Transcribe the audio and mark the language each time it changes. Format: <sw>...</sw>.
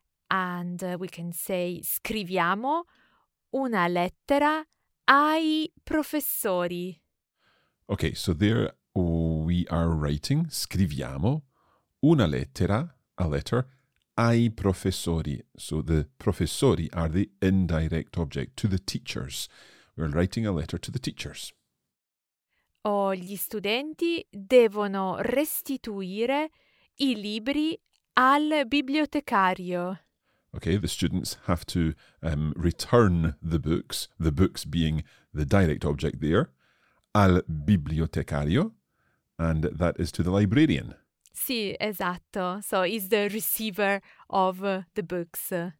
<en>And we can say</en> <it>scriviamo una lettera ai professori.</it> <en>Okay, so there we are writing,</en> <it>scriviamo una lettera,</it> <en>a letter,</en> <it>ai professori.</it> <en>So the professori are the indirect object, to the teachers. We're writing a letter to the teachers.</en> <it>O gli studenti devono restituire i libri al bibliotecario.</it> <en>Okay, the students have to return the books being the direct object there,</en> <it>al bibliotecario,</it> <en>and that is to the librarian.</en> <it>Sì, esatto.</it> <en>So he's the receiver of the books.</en>